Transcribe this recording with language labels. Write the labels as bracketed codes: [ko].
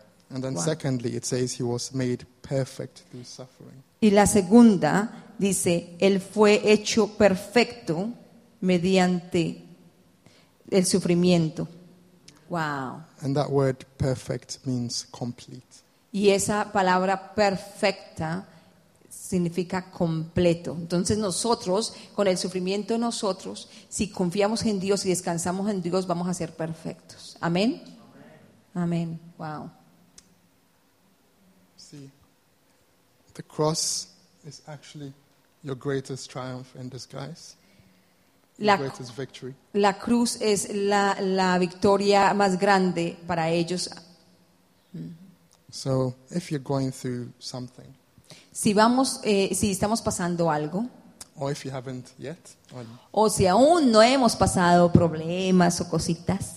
[en] And then secondly, it says he was made perfect through suffering. [es] Y la segunda dice, él fue hecho perfecto mediante el sufrimiento. [en] Wow. And that word perfect means complete. [es] Y esa palabra perfecta significa completo. Entonces nosotros, con el sufrimiento de nosotros, si confiamos en Dios y descansamos en Dios, vamos a ser perfectos. Amén. Amén. Wow. [en] See, the cross is actually your greatest triumph in disguise. [es] La cruz es la victoria más grande para ellos. [en] So, if you're going through something, [es] si estamos pasando algo, [en] or if you haven't yet, or, [es] o si aún no hemos pasado problemas o cositas,